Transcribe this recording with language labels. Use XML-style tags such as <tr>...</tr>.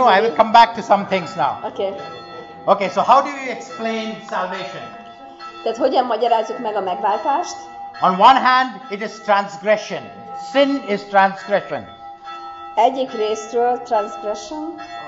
<en>I will come back to some things now. Okay. Okay, so how do you explain salvation?</en> <hu>Tehát hogyan magyarázzuk meg a megváltást?</hu> <en>On one hand, it is transgression. Sin is transgression.</en> <hu>Egyik részről transgression.</hu>